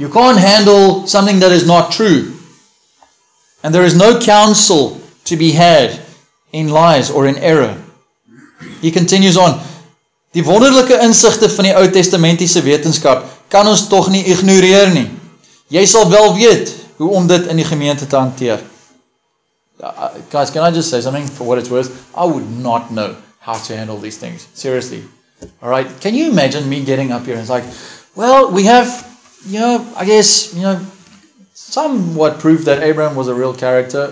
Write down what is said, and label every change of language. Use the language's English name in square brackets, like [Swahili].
[English] You can't handle something that is not true. And there is no counsel to be had in lies or in error. He continues on. [Afrikaans] Die wonderlike insigte van die Ou Testamentiese wetenskap kan ons tog nie ignoreer nie. Jy sal wel weet hoe om dit in die gemeente te hanteer. [English] Guys, can I just say something for what it's worth? I would not know how to handle these things. Seriously. All right. Can you imagine me getting up here and it's like, well, we have, you know, I guess, you know, somewhat proof that Abraham was a real character.